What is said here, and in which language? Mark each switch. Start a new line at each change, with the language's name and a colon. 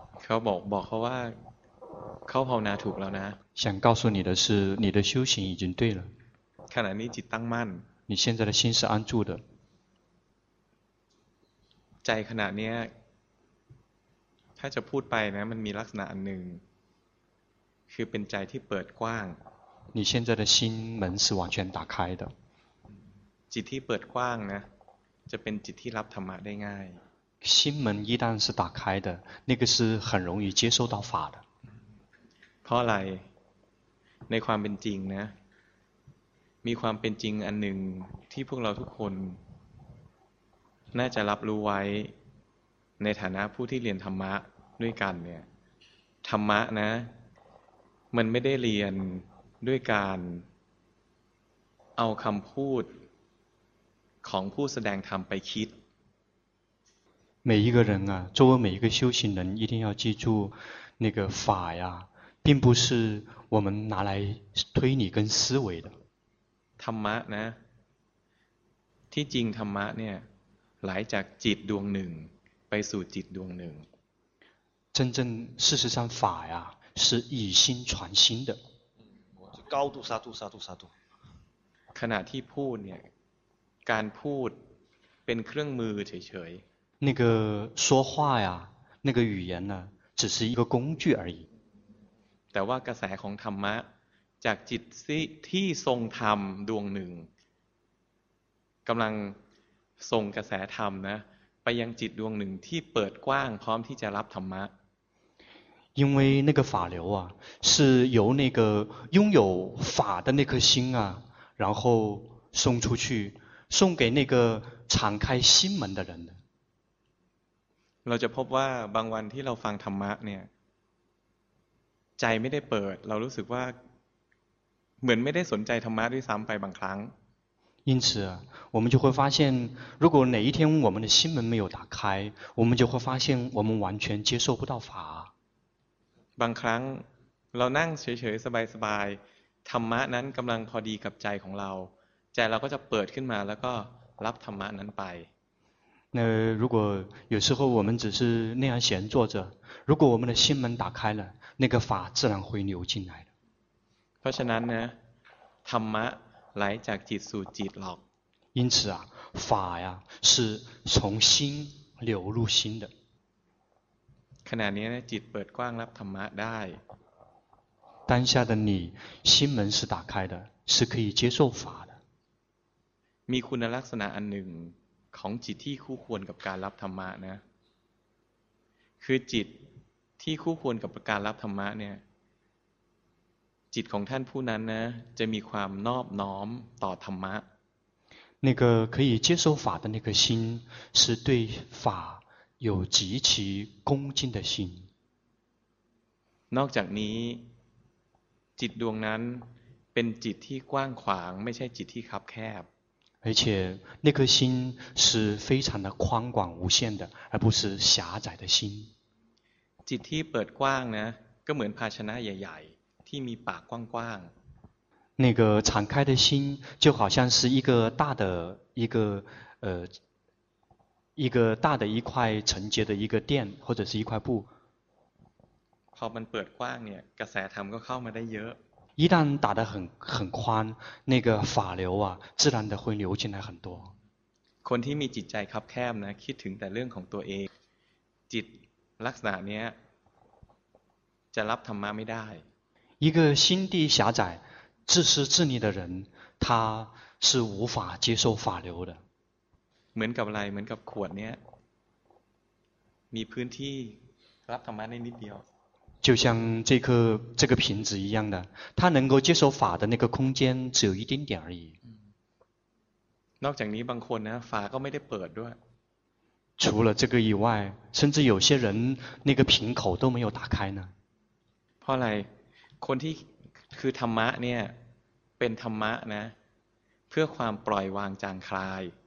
Thai: เขาบอกเขาว่าเขาภาวนาถูกแล้วนะ
Chinese: 想告诉你的是你的修行已经对了
Thai: ขณะนี้จิตตั้งมั่น
Chinese: 你现在的心是安住的
Thai: ใจขณะนี้ถ้าจะพูดไปนะมันมีลักษณะอันหนึ่งคือเป็นใจที่เปิดกว้าง
Chinese: 你现在的心门是完全打开的
Thai: จิตที่เปิดกว้างนะจะเป็นจิตที่รับธรรมะได้ง่าย
Chinese: 心门一旦是打开的那个是很容易接受到法的
Thai: เพราะอะไรในความเป็นจริงนะมีความเป็นจริงอันหนึ่งที่พวกเราทุกคนน่าจะรับรู้ไว้ในฐานะผู้ที่เรียนธรรมะด้วยกันเนี่ยธรรมะนะมันไม่ได้เรียนด้วยการเอาคำพูดของผู้แสดงธรรมไปคิด
Chinese: 每一个人啊作为每一个修行人一定要记住那个法呀并不是我们拿来推理跟思维的
Thai: ธรรมะนะที่จริงธรรมะเนี่ยไหลจากจิตดวงหนึ่งไปสู่จิตดวงหนึ่ง
Chinese: 真正事实上法呀是以心传心的高度杀度杀度杀度
Thai: ขณะที่พูดเนี่ยการพูดเป็นเครื่องมือเฉย
Chinese: ๆ那个说话呀那个语言呢只是一个工具而已
Thai: แต่ว่ากระแสของธรรมะจากจิตที่ทรงธรรมดวงหนึ่งกำลังส่งกระแสธรรมนะไปยังจิตดวงหนึ่งที่เปิดกว้างพร้อมที่จะรับธรรมะ
Chinese: 因为那个法流啊是由那个拥有法的那颗心啊然后送出去送给那个敞开心门的人
Thai: เราจะพบว่าบางวันที่เราฟังธรรมะเนี่ยใจไม่ได้เปิดเรารู้สึกว่าเหมือนไม่ได้สนใจธรรมะด้วยซ้ำไปบางครั้ง
Chinese: 因此我们就会发现如果哪一天我们的心门没有打开我们就会发现我们完全接受不到法
Thai: บางครั้งเรานั่งเฉยๆสบายๆธรรมะนั้นกำลังพอดีกับใจของเราใจเราก็จะเปิดขึ้นมาแล้วก็รับธรรมะนั้นไป
Chinese: 那如果有时候我们只是那样闲坐着如果我们的心门打开了那个法自然会流进来
Thai: เพราะฉะนั้นนะธรรมะไหลจากจิตสู่จิตหรอก
Chinese: 因此啊法呀是从心流入心的
Thai: ขณะนี้จิตเปิดกว้างรับธรรมะได้
Chinese: 当下的你心门是打开的是可以接受法的
Thai: มีคุณลักษณะอันหนึ่งของจิตที่คู่ควรกับการรับธรรมะนะคือจิตที่คู่ควรกับการรับธรรมะเนี่ยจิตของท่านผู้นั้นนะจะมีความนอบน้อมต่อธรรมะ
Chinese: 那个可以接受法的那颗心是对法有极其恭敬的心
Thai: นอกจากนี้จิตดวงนั้นเป็นจิตที่กว้างขวางไม่ใช่จิตที่คับแคบ
Chinese: 而且那颗心是非常的宽广无限的而不是狭窄的心
Thai: จิตที่เปิดกว้างนะก็เหมือนภาชนะใหญ่ๆที่มีปากกว้าง
Chinese: ๆ那个敞开的心就好像是一个大的一个大的一块承接的一个垫或者是一块布
Thai: พอมันเปิดกว้างเนี่ยกระแสธรรมก็เข้ามาได้เยอะ
Chinese: 一旦打得很宽那个法流啊自然的会流进来很多
Thai: คนที่มีจิตใจคับแคบนะคิดถึงแต่เรื่องของตัวเองจิตลักษณะเนี้ยจะรับธรรมะไม่ได้
Chinese: 一个心地狭窄自私自利的人他是无法接受法流的
Thai: เหมือนกับอะไรเหมือนกับขวดเนี้ยมีพื้นที่รับธรรมะได้นิดเดียว
Chinese: 就像这个瓶子一样的它能够接受法的那个空间只有一丁点而已
Thai: นอกจากนี้บางคนนะฝาก็ไม่ได้เปิดด้วย
Chinese: 除了这个以外甚至有些人那个瓶口都没有打开呢
Thai: เพราะอะไรคนที่คือธรรมะเนี่ยเป็นธรรมะนะเพื่อความปล่อยวางจางคลาย